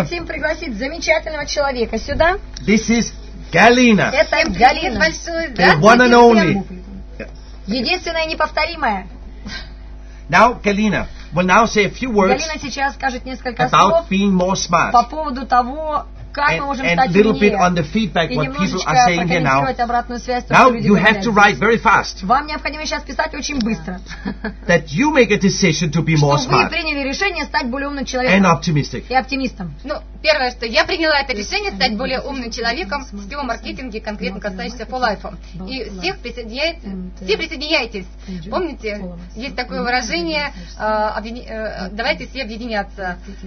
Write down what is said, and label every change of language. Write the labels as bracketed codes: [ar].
[ru] Мы хотим пригласить замечательного человека сюда. [en] This is Galina. [ru] Это Галина. [en] The one and only. [ru] Единственная и неповторимая. [en] Now Galina will now say a few words. [ru] Галина сейчас скажет несколько слов. [en] About being more smart. [ru] По поводу того, как мы можем стать [en] little bit on the feedback what people are saying here now. Now you have to write very fast. [ru] Вам необходимо сейчас писать очень быстро. [en] That you make a decision to be more smart. [ru] Что вы приняли решение стать более умным человеком. [en] And optimistic. [ru] И оптимистом. Ну, первое, что я приняла это решение стать более умным человеком в сетевом маркетинге, конкретно касающемся Fulife. И всех присоединяйтесь. Помните, есть такое выражение, давайте все объединяться.